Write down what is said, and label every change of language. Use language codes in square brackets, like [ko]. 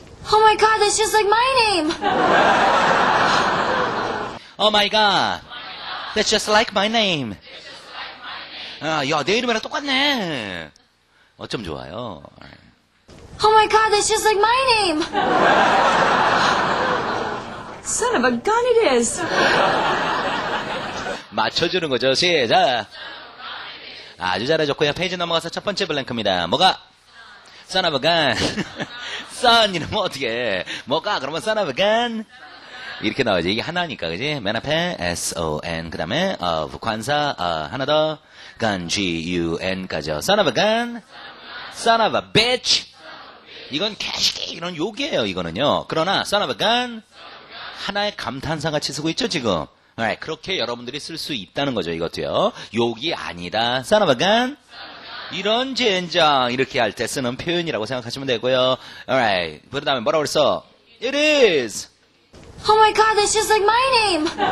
[en] Oh my god, that's just like my name! Oh my god, that's just like my name! [ko] 아, 야, 내 이름이랑 똑같네! 어쩜 좋아요? [en] Oh my god, that's just like my name! Son of a gun it is! [ko] 맞춰주는 거죠, 시작! 아주 잘해줬고요. 페이지 넘어가서 첫 번째 블랭크입니다. 뭐가? [en] Son of a gun. [ko] Son 이러면 어떻게 뭐가? 그러면 [en] son of a gun. [ko] 이렇게 나오지. 이게 하나니까, 그지? 맨 앞에 S-O-N. 그 다음에 of 관사. 하나 더. Gun, G-U-N 까지요. [en] Son of a gun. Son of a bitch. [ko] 이건 개시기. 이런 욕이에요, 이거는요. 그러나 son of a gun. 하나의 감탄사 같이 쓰고 있죠, 지금. Alright, 그렇게 여러분들이 쓸 수 있다는 거죠, 이것도요. 욕이 아니다. [en] Son of a gun. [ko] 이런 젠장 이렇게 할 때 쓰는 표현이라고 생각하시면 되고요. Alright, 그 다음에 뭐라고 그랬어? [en] It is! Oh my god, that's just like my name!